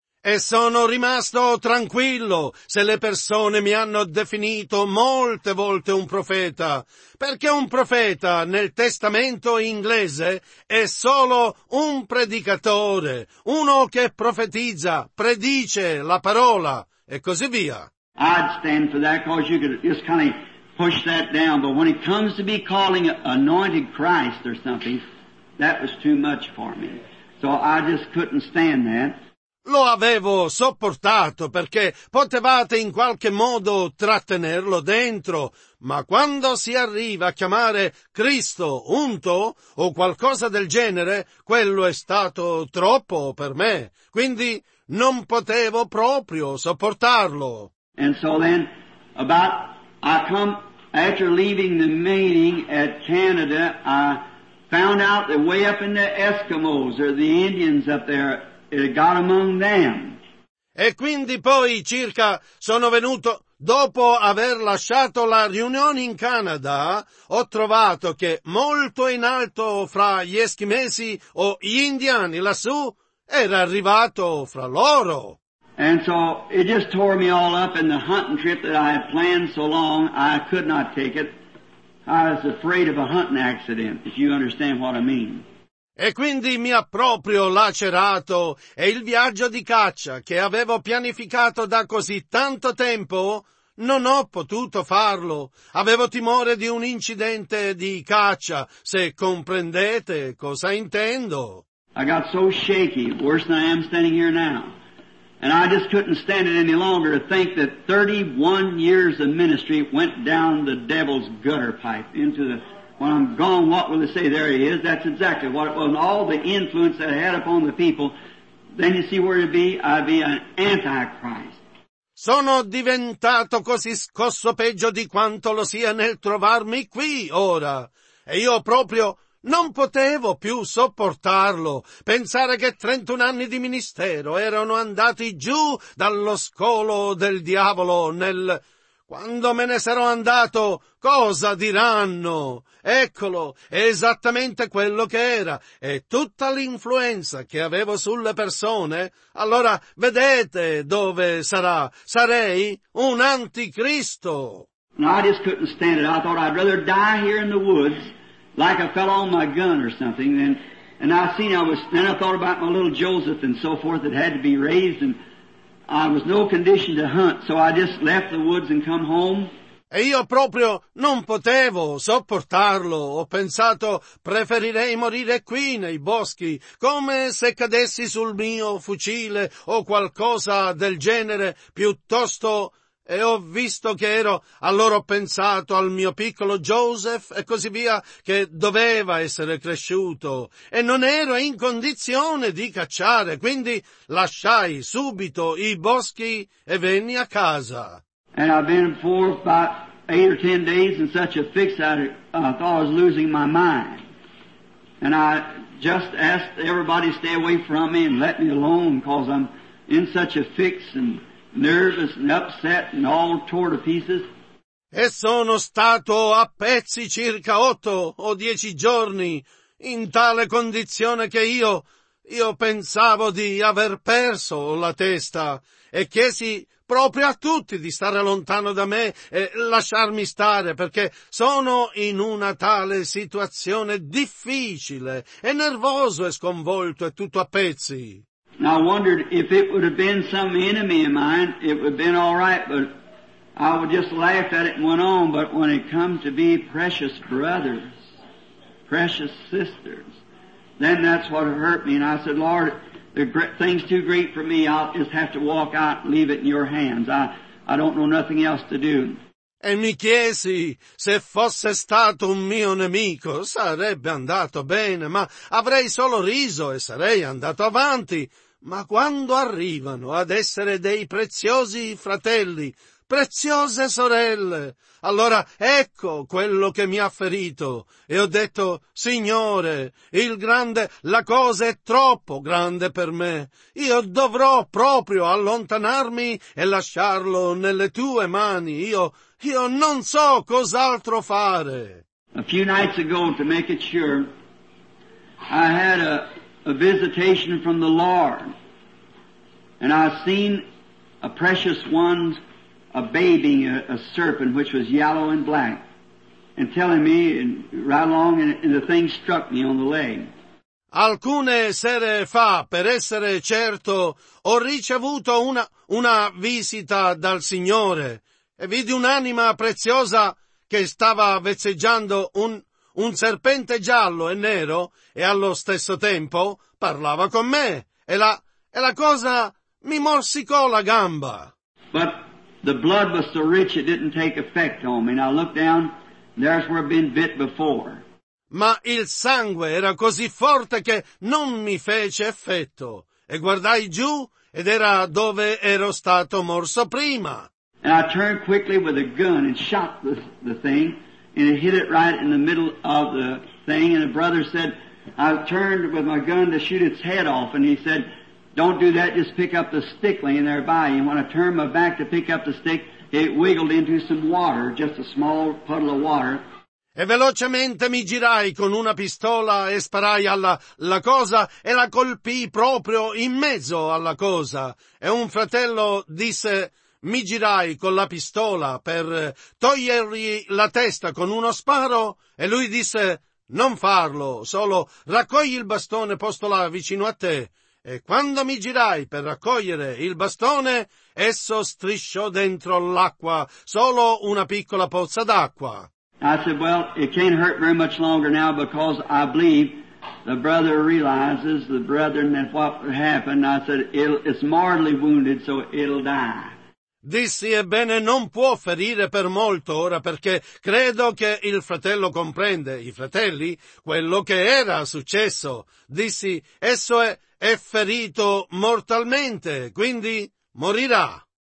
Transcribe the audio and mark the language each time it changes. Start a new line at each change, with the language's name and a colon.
Italian: E sono rimasto tranquillo se le persone mi hanno definito molte volte un profeta, perché un profeta nel testamento inglese è solo un predicatore, uno che profetizza, predice la parola e così via.
English: I'd stand for that because you could just kind of push that down, but when it comes to be calling anointed Christ or something, that was too much for me. So I just couldn't stand that.
Italian: Lo avevo sopportato perché potevate in qualche modo trattenerlo dentro, ma quando si arriva a chiamare Cristo unto o qualcosa del genere, quello è stato troppo per me, quindi non potevo proprio sopportarlo.
English: And so then, about, I come, after leaving the meeting at Canada, I found out that way up in the Eskimos, or the Indians up there, it got among them.
Italian: E quindi poi circa sono venuto Dopo aver lasciato la riunione in Canada, ho trovato che molto in alto fra gli eschimesi o gli indiani lassù era arrivato fra loro.
English: And so it just tore me all up in the hunting trip that I had planned so long, I could not take it. I was afraid of a hunting accident, if you understand what I mean.
Italian: E quindi mi ha proprio lacerato, e il viaggio di caccia che avevo pianificato da così tanto tempo, non ho potuto farlo. Avevo timore di un incidente di caccia, se comprendete cosa intendo.
English: I got so shaky, worse than I am standing here now. And I just couldn't stand it any longer to think that 31 years of ministry went down the devil's gutter pipe into the... When I'm gone, what will they say? There he is. That's exactly what it was. And all the influence that I had upon the people, then you see where it'd be? I'd be an antichrist.
Italian: Sono diventato così scosso peggio di quanto lo sia nel trovarmi qui ora. E io proprio non potevo più sopportarlo. Pensare che 31 anni di ministero erano andati giù dallo scolo del diavolo nel... Quando me ne sarò andato, cosa diranno? Eccolo, è esattamente quello che era, e tutta l'influenza che avevo sulle persone, allora vedete dove sarà, sarei un anticristo.
English: No, I just couldn't stand it. I thought I'd rather die here in the woods, like I fell on my gun or something, then I thought about my little Joseph and so forth that had to be raised and... I was no condition to hunt, so I just left the woods and come home.
Italian: E io proprio non potevo sopportarlo. Ho pensato, preferirei morire qui nei boschi, come se cadessi sul mio fucile o qualcosa del genere, piuttosto... E ho visto che ero, allora ho pensato al mio piccolo Joseph e così via, che doveva essere cresciuto. E non ero in condizione di cacciare, quindi lasciai subito i boschi e venni a casa.
English: And I've been for about 8 or 10 days in such a fix I thought I was losing my mind. And I just asked everybody to stay away from me and let me alone, cause I'm in such a fix and... Nervous and upset and all torn to pieces.
Italian: E sono stato a pezzi circa 8 o 10 giorni in tale condizione che io pensavo di aver perso la testa e chiesi proprio a tutti di stare lontano da me e lasciarmi stare perché sono in una tale situazione difficile e nervoso e sconvolto e tutto a pezzi.
English: Now I wondered if it would have been some enemy of mine, it would have been all right, but I would just laugh at it and went on. But when it comes to be precious brothers, precious sisters, then that's what hurt me. And I said, Lord, the thing's too great for me. I'll just have to walk out and leave it in your hands. I don't know nothing else to do.
Italian: E mi chiesi se fosse stato un mio nemico, sarebbe andato bene, ma avrei solo riso e sarei andato avanti. Ma quando arrivano ad essere dei preziosi fratelli, preziose sorelle, allora ecco quello che mi ha ferito. E ho detto, Signore, la cosa è troppo grande per me. Io dovrò proprio allontanarmi e lasciarlo nelle tue mani. Io non so cos'altro fare.
English: A few nights ago, to make it sure, I had a visitation from the Lord, and I seen a precious one, a baby, a serpent, which was yellow and black, and telling me, and right along, and the thing struck me on the leg.
Italian: Alcune sere fa, per essere certo, ho ricevuto una visita dal Signore. E vidi un'anima preziosa che stava vezzeggiando un serpente giallo e nero e allo stesso tempo parlava con me e la cosa mi morsicò la gamba.
English: But the blood was so rich it didn't take effect on me. And I looked down, there's where I've been bit before.
Italian: Ma il sangue era così forte che non mi fece effetto e guardai giù ed era dove ero stato morso prima.
English: And I turned quickly with a gun and shot the thing, and it hit it right in the middle of the thing. And a brother said, I turned with my gun to shoot its head off, and he said, don't do that, just pick up the stick laying there by you. And when I turned my back to pick up the stick, It wiggled into some water, just a small puddle of water.
Italian: E velocemente mi girai con una pistola e sparai alla la cosa e la colpii proprio in mezzo alla cosa. E un fratello disse, mi girai con la pistola per togliergli la testa con uno sparo. E lui disse, non farlo, solo raccogli il bastone posto là vicino a te. E quando mi girai per raccogliere il bastone, esso strisciò dentro l'acqua, solo una piccola pozza d'acqua.
English: I said, well, it can't hurt very much longer now because I believe the brother realizes, the brethren, that what happened. I said, it's mortally wounded, so it'll die.
Italian: Dissi, ebbene, non può ferire per molto ora perché credo che il fratello comprende, i fratelli, quello che era successo. Dissi, esso è ferito mortalmente, quindi morirà.